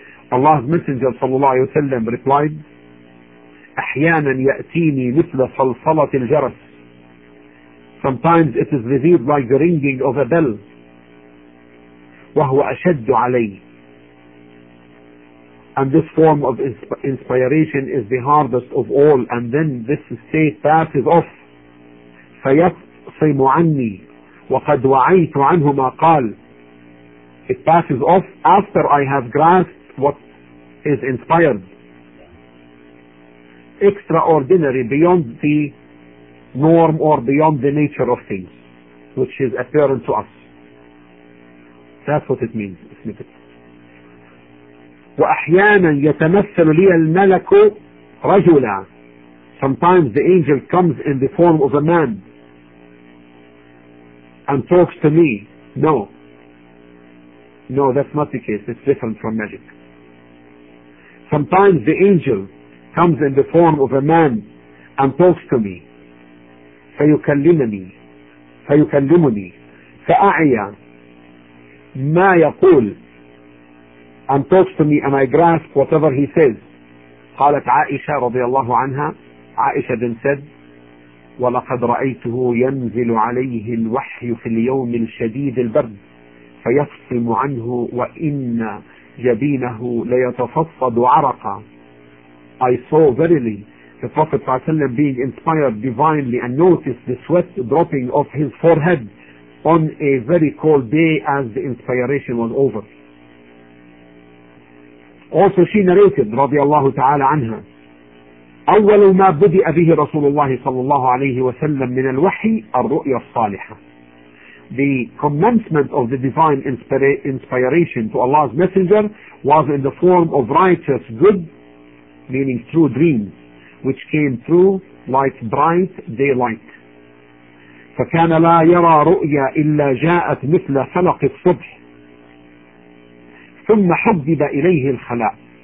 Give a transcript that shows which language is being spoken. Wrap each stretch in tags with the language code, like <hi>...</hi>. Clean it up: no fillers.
<en>Allah's Messenger sallallahu alayhi wa sallam replied,</en> <ar>أحياناً يأتيني مثل صلصلة الجرس.</ar> <en>Sometimes it is revealed like the ringing of a bell.</en> <ar>وهو أشد علي.</ar> <en>And this form of inspiration is the hardest of all. And then this state passes off.</en> <ar>فيقصم عني وقد وعيت عنه ما قال.</ar> <en>It passes off after I have grasped what is inspired. Extraordinary, beyond the norm or beyond the nature of things, which is apparent to us. That's what it means.</en> <ar>وأحيانا يتمثل لي الملك رجلا.</ar> <en>Sometimes the angel comes in the form of a man and talks to me. No, that's not the case. It's different from magic. Sometimes the angel comes in the form of a man and talks to me.</en> <ar>فيكلمني فأعيا ما يقول</ar> <en>and talks to me and I grasp whatever he says.</en> <ar>قالت عائشة رضي الله عنها, عائشة</ar> <en>then said,</en> <ar>ولقد رأيته ينزل عليه الوحي في اليوم الشديد البرد فيفصم عنه وإن جبينه ليتفصد عرقا.</ar> <en>I saw verily the Prophet ﷺ being inspired divinely and noticed the sweat dropping off his forehead on a very cold day as the inspiration was over. Also she narrated,</en> <ar>رضي الله تعالى عنها, أول ما بدأ به رسول الله صلى الله عليه وسلم من الوحي الرؤيا الصالحة.</ar> <en>The commencement of the divine inspiration to Allah's Messenger was in the form of righteous good, meaning true dreams, which came through like bright daylight.</en> <ar>فَكَانَ لَا يَرَى رُؤْيَا إِلَّا جَاءَتْ مِثْلَ فَلَقِ الصُّبْحِ ثُمَّ حُبِّبَ إِلَيْهِ الْخَلَاءِ.</ar>